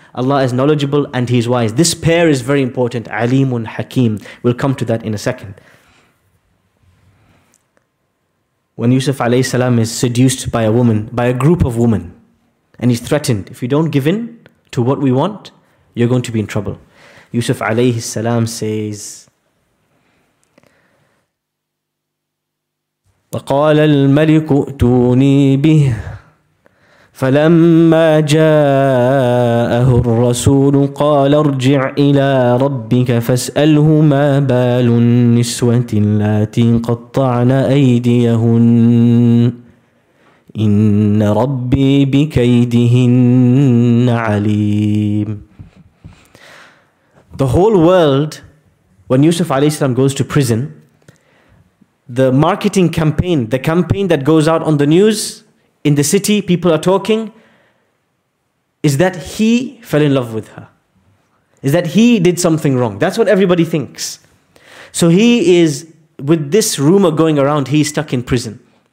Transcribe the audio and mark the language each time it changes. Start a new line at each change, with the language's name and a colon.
English: Allah is knowledgeable and he is wise. This pair is very important. Alimun Hakim. We'll come to that in a second. When Yusuf alayhi salam is seduced by a woman, by a group of women, and he's threatened, if you don't give in to what we want, you're going to be in trouble. Yusuf alayhi salam says,
Arabic: وَقَالَ الْمَلِكُ أُتُونِي بِهِ فَلَمَّا جَاءَهُ الرَّسُولُ قَالَ ارْجِعْ إِلَىٰ رَبِّكَ فَاسْأَلْهُ مَا بَالُ النِّسْوَةِ اللَّاتِي قَطَّعْنَ أَيْدِيَهُنَّ إِنَّ رَبِّي بِكَيْدِهِنَّ عَلِيمٌ.
English: The whole world, when Yusuf alayhi salam goes to prison, the marketing campaign, the campaign that goes out on the news, in the city, people are talking, is that he fell in love with her. Is that he did something wrong. That's what everybody thinks. So he is, with this rumor going around, he's stuck in prison.